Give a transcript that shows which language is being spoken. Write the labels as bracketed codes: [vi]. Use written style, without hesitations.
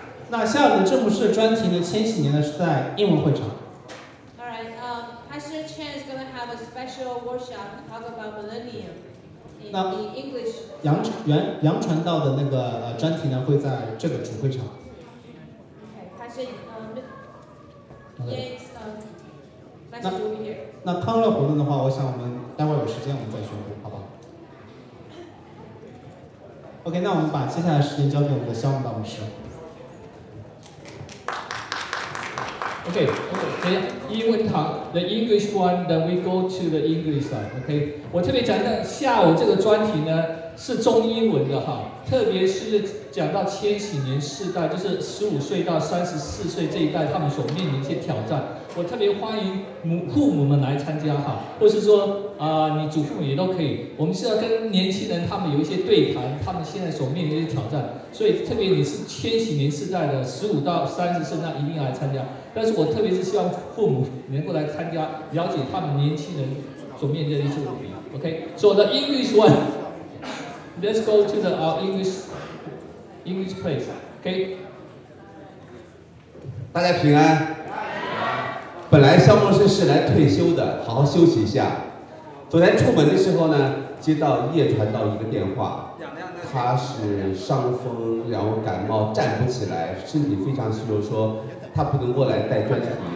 [zh] 那下午的正牧师专题呢？千禧年呢是在英文会场。 [en] Alright, Pastor Chen is going to have a special workshop to talk about millennium in English. [zh] 杨传道的那个专题呢会在这个主会场。 [en] Okay, Pastor Yan's message will be here. [zh] 那康乐活动的话，我想我们待会有时间我们再宣布，好不好？ OK, 那我们把接下来的时间交给我们的肖牧道牧师。 [en] OK, okay, 英文堂 ,the English one, then we go to the English side, OK? [zh] 我特别讲到下午这个专题呢是中英文的哈，特别是讲到千禧年世代，就是15岁到34岁这一代他们所面临一些挑战。我特别欢迎父母们来参加哈，或是说你祖父母也都可以。我们是要跟年轻人他们有一些对谈，他们现在所面临的挑战。所以特别你是千禧年世代的15到30岁那一定要来参加。但是我特别是希望父母能够来参加，了解他们年轻人所面对的一些问题。 [en] OK, so the English one, let's go to the English place. OK, [zh] 大家平安。本来肖牧师是来退休的，好好休息一下。昨天出门的时候呢，接到叶传道一个电话，他是伤风，然后感冒站不起来，身体非常虚弱，说他不能过来带专题。